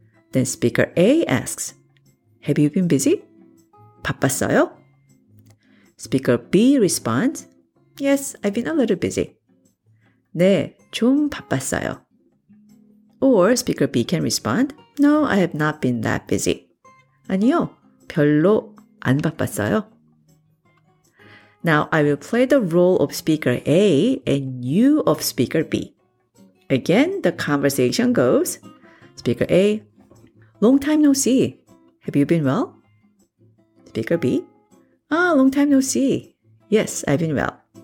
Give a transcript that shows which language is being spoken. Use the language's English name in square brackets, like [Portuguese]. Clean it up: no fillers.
[English] Then speaker A asks, "Have you been busy?" [Korean] 바빴어요? [English] Speaker B responds, "Yes, I've been a little busy." [Korean] 네, 좀 바빴어요. [English] Or speaker B can respond, "No, I have not been that busy." [Korean] 아니요, 별로 안 바빴어요. [English] Now I will play the role of speaker A and you of speaker B. Again, the conversation goes, speaker A, "Long time no see. Have you been well?" Speaker B, "Ah, long time no see. Yes, I've been well."